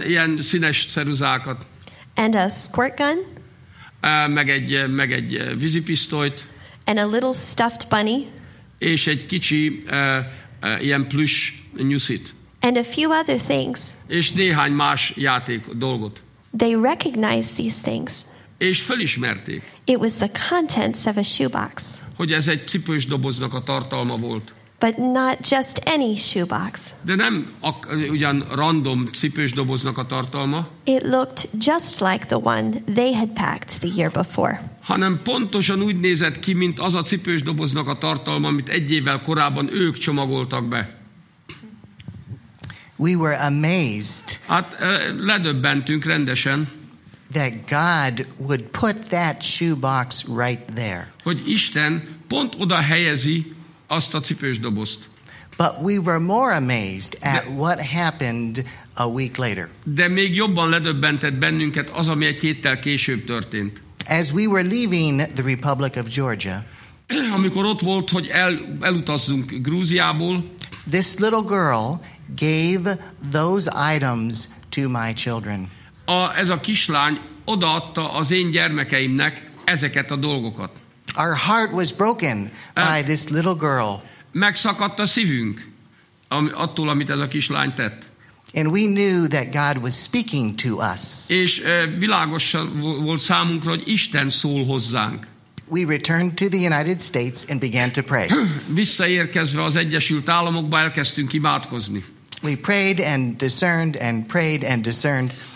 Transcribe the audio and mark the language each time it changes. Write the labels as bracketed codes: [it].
[hu] Ilyen színes ceruzákat. [en] And a squirt gun. [hu] Meg egy vízipisztolyt. [en] And a little stuffed bunny. [hu] És egy kicsi ilyen plüss nyuszit. [en] And a few other things. [hu] És néhány más játék dolgot. [en] They recognized these things. [hu] És felismerték. [en] It was the contents of a shoebox. [hu] Hogy ez egy cipős doboznak a tartalma volt. [en] But not just any shoebox. [hu] De nem ugyan random cipős doboznak a tartalma. [en] It looked just like the one they had packed the year before. [hu] Hanem pontosan úgy nézett ki, mint az a cipős doboznak a tartalma, amit egy évvel korábban ők csomagoltak be. [en] We were amazed. [hu] Hát ledöbbentünk rendesen. [en] That God would put that shoebox right there. [hu] Hogy Isten pont oda helyezi azt a cipős dobozt. [en] But we were more amazed at what happened a week later. [hu] De még jobban ledöbbentett bennünket az, ami egy héttel később történt. [en] As we were leaving the Republic of Georgia. [hu] Amikor ott volt, hogy elutazzunk Grúziából. [en] This little girl gave those items to my children. [hu] Ez a kislány odaadta az én gyermekeimnek ezeket a dolgokat. [en] Our heart was broken by this little girl. [hu] Megszakadt a szívünk attól, amit ez a kislány tett. [en] And we knew that God was speaking to us. [hu] És világos volt számunkra, hogy Isten szól hozzánk. [en] We returned to the United States and began to pray. [hu] Visszaérkezve az Egyesült Államokba elkezdtünk imádkozni. [en] We prayed and discerned and prayed and discerned.